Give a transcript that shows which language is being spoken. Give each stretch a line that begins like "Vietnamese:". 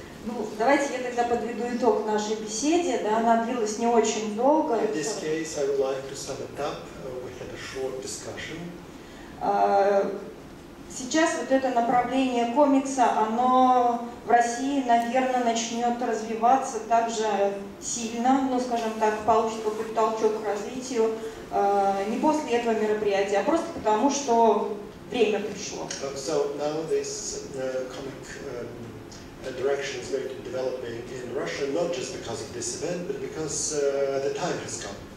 Russian: Ну, давайте я тогда подведу итог нашей беседе. Да, она длилась не очень долго.
English: In this case, I would like to sum it up. We had a short discussion.
Russian: Сейчас вот это направление комикса, оно в России, наверное, начнет развиваться так же сильно, ну, скажем так, получит какой-то толчок к развитию не после этого мероприятия, а просто потому, что время пришло.
English: So now this comic direction is going to develop in Russia, not just because of this event, but because the time has come.